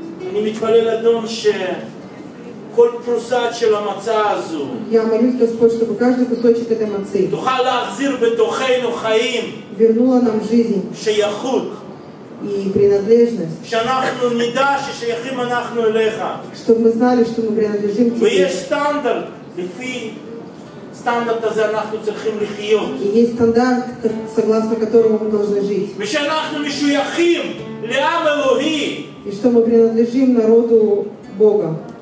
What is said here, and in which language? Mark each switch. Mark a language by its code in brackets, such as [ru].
[he] אני מתפלל אדון שכל פרוסת של המצה הזו. [ru] Я молюсь Господь, чтобы каждый кусочек этой мацы. [he] תוכל להחזיר בתוכנו חיים. [ru] Вернула нам жизнь. [he] שייכות. [ru] И принадлежность. [he] שאנחנו נדע ששייכים אנחנו אליך. [ru] Чтобы мы знали, что мы принадлежим тебе. [he] ויש стандарт, לפי стандарт הזה אנחנו צריכים לחיות. [ru] И есть стандарт, согласно которому мы должны жить. [he] ושאנחנו משויכים לעם אלוהי. [ru] И что мы принадлежим народу Бога.